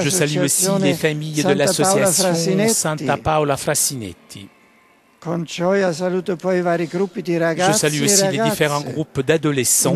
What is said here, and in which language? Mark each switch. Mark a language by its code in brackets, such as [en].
[fr] Je salue aussi les familles de l'association Santa Paola Frassinetti. [it] Con gioia saluto poi vari gruppi di ragazzi [fr] Je salue aussi les différents groupes d'adolescents,